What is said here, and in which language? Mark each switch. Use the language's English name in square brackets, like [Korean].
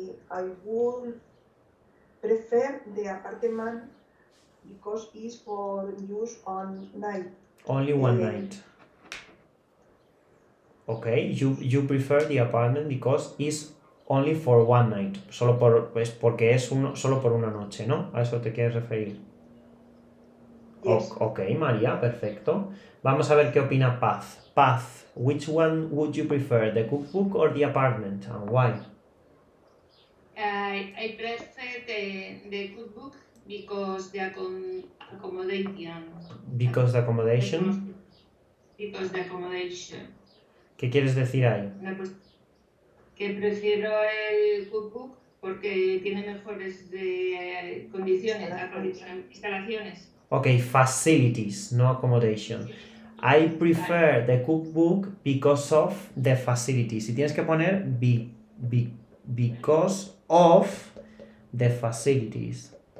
[English] I would prefer the apartment because it's for use on night. Only one night. Okay, you prefer the apartment because it's only for one night. [Spanish] Solo por es porque es uno solo por una noche, ¿no? A eso te quieres referir. [English] Yes. [Spanish] Okay, María, perfecto. Vamos a ver qué opina Paz. Paz. [English] Which one would you prefer, the cookbook or the apartment, and why? I prefer the cookbook because the accommodation. Because the accommodation? Because the accommodation. [Spanish] ¿Qué quieres decir ahí? Que prefiero el cookbook porque tiene mejores de condiciones, instalaciones. [English] Okay, facilities, no accommodation. I prefer the cookbook because of the facilities. [Spanish] Y tienes que poner [English] because of the facilities.